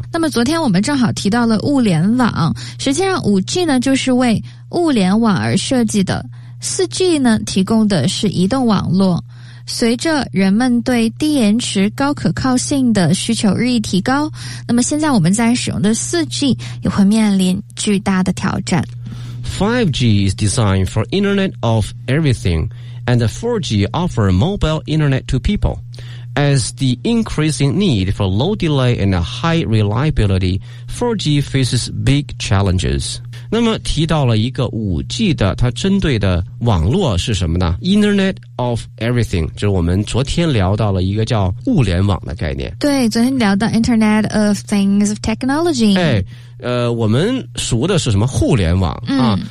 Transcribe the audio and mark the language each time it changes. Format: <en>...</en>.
<zh>那么昨天我们正好提到了物联网，实际上 5G 呢就是为物联网而设计的， 4G 呢提供的是移动网络。随着人们对低延迟高可靠性的需求日益提高，那么现在我们在使用的 4G 也会面临巨大的挑战。</zh> <en>5G is designed for Internet of Everything and 4G offer mobile Internet to peopleAs the increasing need for low delay and high reliability, 4G faces big challenges.</en> <zh>那么提到了一个 5G 的它针对的网络是什么呢？</zh> <en>Internet of Everything，</en> <zh>就是我们昨天聊到了一个叫物联网的概念。对，昨天聊到</zh> <en>Internet of Things of Technology。</en> <zh>哎，我们熟的是什么互联网啊？</zh>